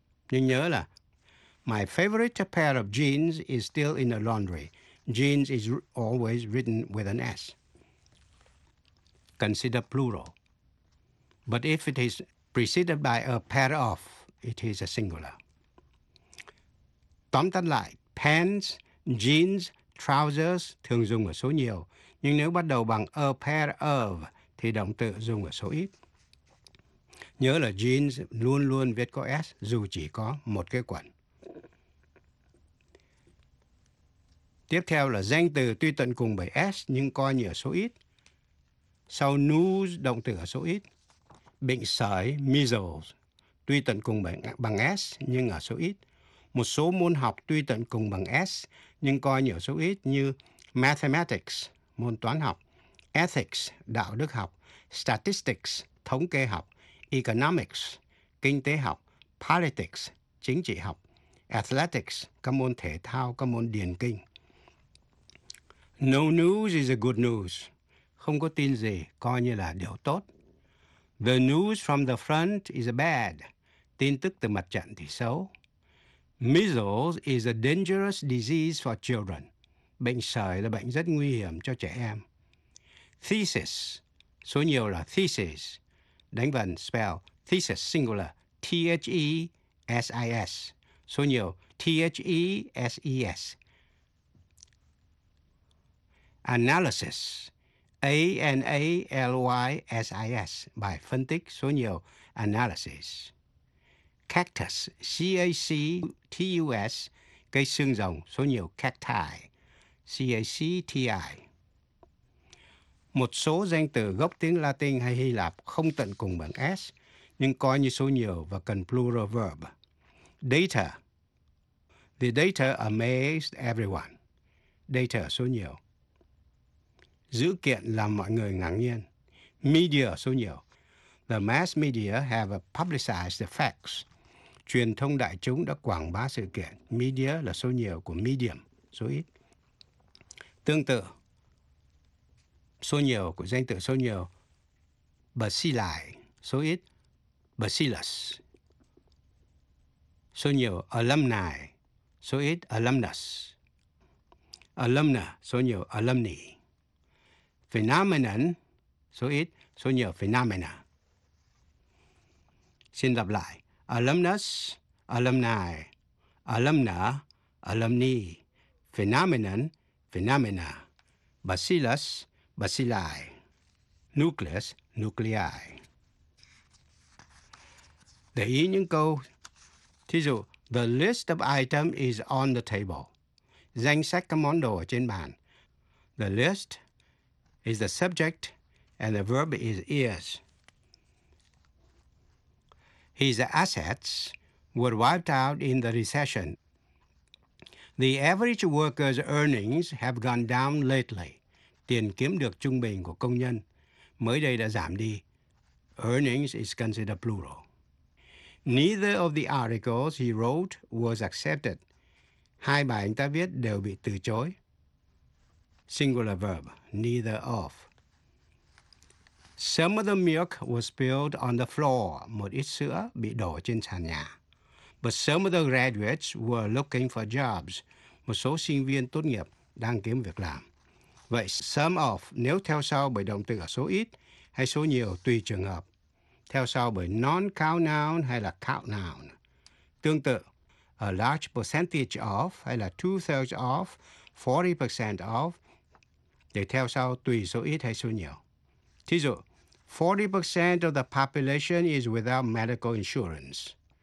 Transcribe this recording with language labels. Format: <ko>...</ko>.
<vi>Nhưng nhớ là</vi> <en>my favorite pair of jeans is still in the laundry. Jeans is always written with an S. Consider plural. But if it is preceded by a pair of, it is a singular.</en> <vi>Tóm tắt lại, pants, jeans, trousers thường dùng ở số nhiều. Nhưng nếu bắt đầu bằng a pair of, thì động từ dùng ở số ít. Nhớ là jeans luôn luôn viết có S, dù chỉ có một cái quần. Tiếp theo là danh từ tuy tận cùng bởi S nhưng coi như ở số ít. Sau news, động từ ở số ít. Bệnh sởi, measles, tuy tận cùng bằng S nhưng ở số ít. Một số môn học tuy tận cùng bằng S nhưng coi như ở số ít như mathematics, môn toán học, ethics, đạo đức học, statistics, thống kê học, economics, kinh tế học, politics, chính trị học, athletics, các môn thể thao, các môn điền kinh.</vi> <en>No news is a good news.</en> <vi>Không có tin gì, coi như là điều tốt.</vi> <en>The news from the front is bad.</en> <vi>Tin tức từ mặt trận thì xấu.</vi> <en>Measles is a dangerous disease for children.</en> <vi>Bệnh sởi là bệnh rất nguy hiểm cho trẻ em. Thesis, số nhiều là thesis, đánh vần spell thesis singular, T-H-E-S-I-S, số nhiều T-H-E-S-E-S. Analysis, A-N-A-L-Y-S-I-S, bài phân tích, số nhiều analysis. Cactus, C-A-C-T-U-S, cây xương rồng, số nhiều cacti, C-A-C-T-I. Một số danh từ gốc tiếng Latin hay Hy Lạp không tận cùng bằng S, nhưng coi như số nhiều và cần plural verb.</vi> <en>Data, the data amazed everyone. Data, số nhiều.</en> <vi>Dữ kiện làm mọi người ngạc nhiên. Media, số nhiều.</vi> <en>The mass media have publicized the facts.</en> <vi>Truyền thông đại chúng đã quảng bá sự kiện. Media là số nhiều của medium, số ít. Tương tự, số nhiều của danh từ số nhiều. Bacilli, số ít. Bacillus. Số nhiều alumni, số ít alumnus. Alumna, số nhiều alumni. Phenomenon, số ít, số nhiều phenomena. Xin lặp lại. Alumnus, alumni, alumna, alumni, phenomenon, phenomena, bacillus, bacilli, nucleus, nuclei. Để ý những câu, thí dụ,</vi> <en>the list of items is on the table.</en> <vi>Danh sách các món đồ ở trên bàn.</vi> <en>The list is the subject and the verb is is. His assets were wiped out in the recession. The average worker's earnings have gone down lately.</en> <vi>Tiền kiếm được trung bình của công nhân mới đây đã giảm đi.</vi> <en>Earnings is considered plural. Neither of the articles he wrote was accepted.</en> <vi>Hai bài anh ta viết đều bị từ chối.</vi> <en>Singular verb, neither of. Some of the milk was spilled on the floor.</en> <vi>Một ít sữa bị đổ trên sàn nhà.</vi> <en>But some of the graduates were looking for jobs.</en> <vi>Một số sinh viên tốt nghiệp đang kiếm việc làm. Vậy some of nếu theo sau bởi động từ ở số ít hay số nhiều tùy trường hợp. Theo sau bởi non-count noun hay là count noun. Tương tự, a large percentage of hay là two-thirds of, 40% of, để theo sau tùy số ít hay số nhiều. Thí dụ,</vi> <en>40% of the population is without medical insurance.</en>